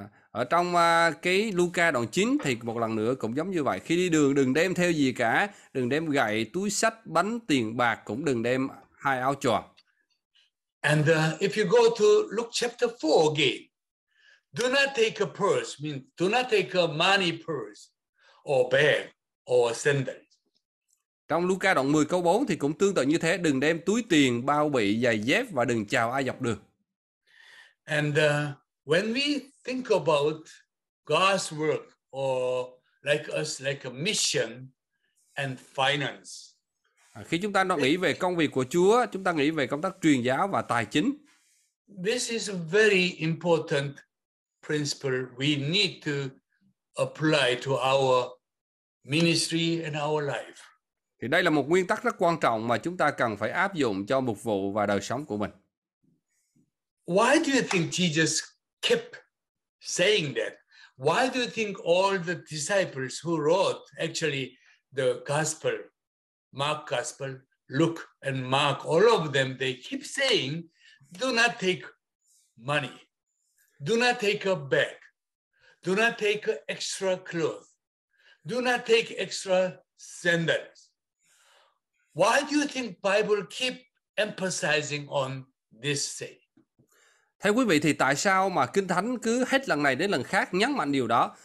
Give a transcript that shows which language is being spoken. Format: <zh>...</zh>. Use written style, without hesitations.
<vi>Ở trong cái Luca đoạn 9 thì một lần nữa cũng giống như vậy. Khi đi đường đừng đem theo gì cả. Đừng đem gậy, túi sách, bánh, tiền bạc. Cũng đừng đem hai áo choàng.</vi> <en>And if you go to Luke chapter 4 again. Do not take a purse. Means do not take a money purse. Or bag. Or sandals.</en> <vi>Trong Luca đoạn 10 câu 4 thì cũng tương tự như thế. Đừng đem túi tiền, bao bị, giày dép và đừng chào ai dọc đường.</vi> <en>And when we think about God's work or like us, like a mission and finance.</en> <vi>Khi chúng ta nghĩ về công việc của Chúa, chúng ta nghĩ về công tác truyền giáo và tài chính.</vi> <en>This is a very important principle we need to apply to our ministry and our life.</en> <vi>Thì đây là một nguyên tắc rất quan trọng mà chúng ta cần phải áp dụng cho mục vụ và đời sống của mình.</vi> <en>Why do you think Jesus kept saying that? Why do you think all the disciples who wrote actually the gospel, Mark gospel, Luke and Mark, all of them, they keep saying, do not take money, do not take a bag, do not take extra clothes, do not take extra sandals. Why do you think Bible keep emphasizing on this thing?</en> <vi>Thế quý vị thì tại sao mà Kinh Thánh cứ hết lần này đến lần khác nhấn mạnh điều đó?</vi>